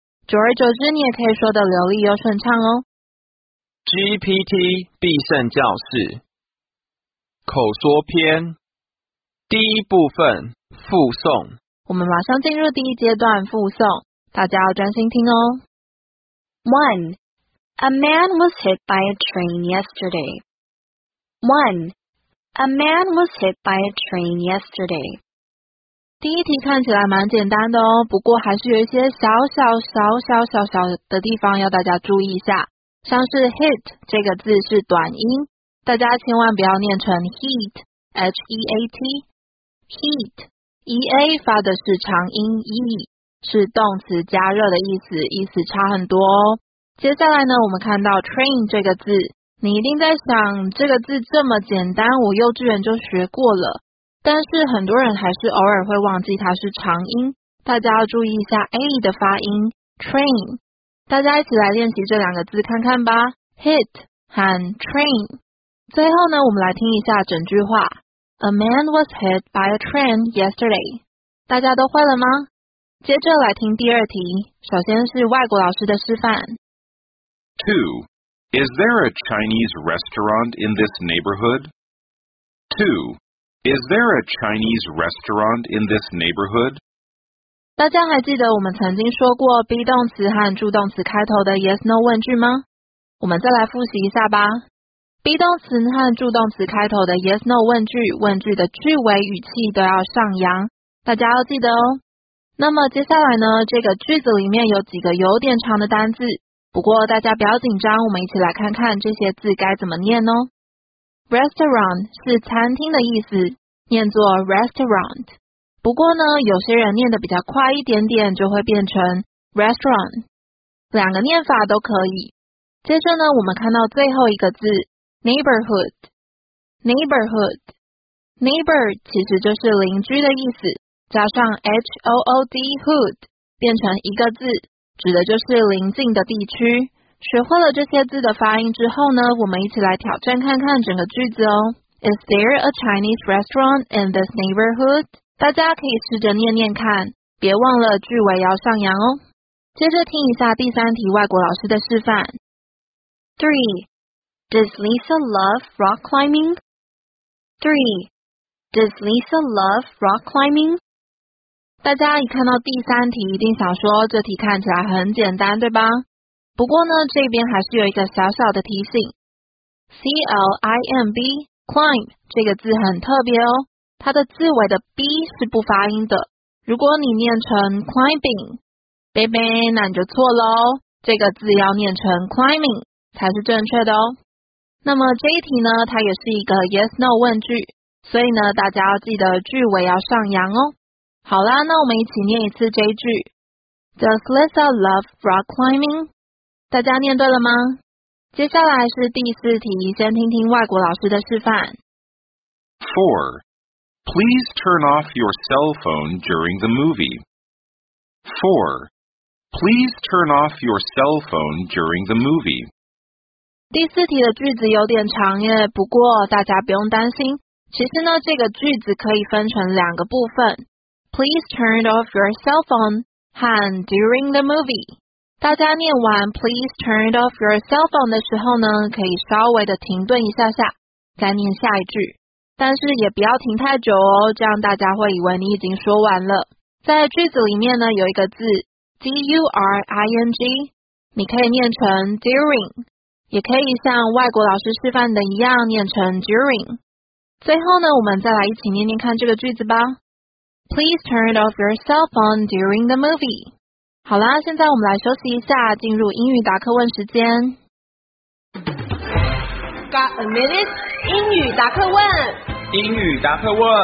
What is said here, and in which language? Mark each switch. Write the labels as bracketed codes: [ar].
[zh] 久而久之，你也可以说得流利又顺畅哦。 GPT 必胜教室口说篇第一部分附送。我们马上进入第一阶段附送，大家要专心听哦。 [en] One. A man was hit by a train yesterday. 1. A man was hit by a train yesterday. [zh] 第一题看起来蛮简单的哦，不过还是有一些小小的地方要大家注意一下。像是 hit 这个字是短音，大家千万不要念成 heat, H-E-A-T. Heat, E-A 发的是长音 E, 是动词加热的意思，意思差很多哦。接下来呢，我们看到 train 这个字，你一定在想，这个字这么简单，我幼稚园就学过了。但是很多人还是偶尔会忘记它是长音，大家要注意一下 A 的发音 train。大家一起来练习这两个字看看吧， hit 和 train。最后呢，我们来听一下整句话， [en] A man was hit by a train yesterday。 [zh] 大家都会了吗？接着来听第二题，首先是外国老师的示范。 2. Is there a Chinese restaurant in this neighborhood? 2. Is there a Chinese restaurant in this neighborhood? 大家还记得我们曾经说过 be 动词和助动词开头的 yes no 问句吗？我们再来复习一下吧。be 动词和助动词开头的 yes no 问句，问句的句尾语气都要上扬，大家要记得哦。那么接下来呢，这个句子里面有几个有点长的单字，不过大家不要紧张，我们一起来看看这些字该怎么念哦。 Restaurant 是餐厅的意思，念作 restaurant。不过呢，有些人念得比较快一点点，就会变成 restaurant。两个念法都可以。接着呢，我们看到最后一个字 neighborhood。neighborhood。 neighbor 其实就是邻居的意思，加上 hood hood 变成一个字。指的就是邻近的地区。学会了这些字的发音之后呢，我们一起来挑战看看整个句子哦。 [en] Is there a Chinese restaurant in this neighborhood? [zh] 大家可以试着念念看，别忘了句尾要上扬哦。接着听一下第三题外国老师的示范。 [en] 3. Does Lisa love rock climbing? 3. Does Lisa love rock climbing? [zh] 大家一看到第三题一定想说这题看起来很简单对吧？不过呢，这边还是有一个小小的提醒。CLIMB, climb, 这个字很特别哦，它的字尾的 B 是不发音的。如果你念成 climbing, 贝贝，那你就错了哦，这个字要念成 climbing, 才是正确的哦。那么这一题呢，它也是一个 yes no 问句，所以呢，大家要记得句尾要上扬哦。好啦，那我们一起念一次这一句。 [en] Does Lisa love rock climbing? [zh] 大家念对了吗？接下来是第四题，先听听外国老师的示范。 [en] 4. Please turn off your cell phone during the movie. 4. Please turn off your cell phone during the movie. [zh] 第四题的句子有点长耶，不过大家不用担心。其实呢，这个句子可以分成两个部分。 [en] Please turn off your cell phone [zh] 和 [en] during the movie。 [zh] 大家念完 [en] please turn off your cell phone [zh] 的时候呢，可以稍微的停顿一下下再念下一句，但是也不要停太久哦，这样大家会以为你已经说完了。在句子里面呢，有一个字 during， 你可以念成 during， 也可以像外国老师示范的一样念成 during。最后呢，我们再来一起念念看这个句子吧。 [en] Please turn off your cell phone during the movie. [zh] 好啦，现在我们来休息一下，进入英语答课问时间。 [en] Got a minute? [zh] 英语答课问。英语答课问。